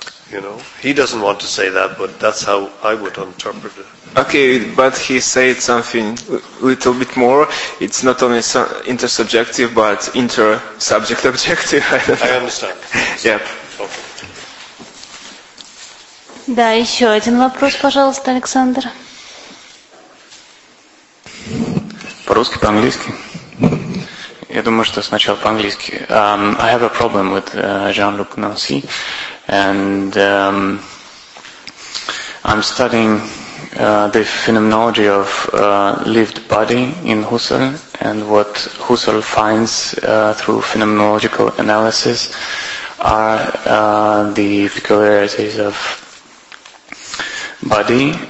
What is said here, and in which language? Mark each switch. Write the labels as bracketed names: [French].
[English] You know, he doesn't want to say that, but that's how I would interpret it. Okay, but he said something a little bit more. It's not only intersubjective, but inter-subject-objective. I understand. Yeah. [Russian] Да, еще один вопрос, пожалуйста, Александр. По-русски, по-английски? Я думаю, что сначала по-английски. [English] I have a problem with Jean-Luc Nancy. And I'm studying the phenomenology of lived body in Husserl and what Husserl finds through phenomenological analysis are the peculiarities of body.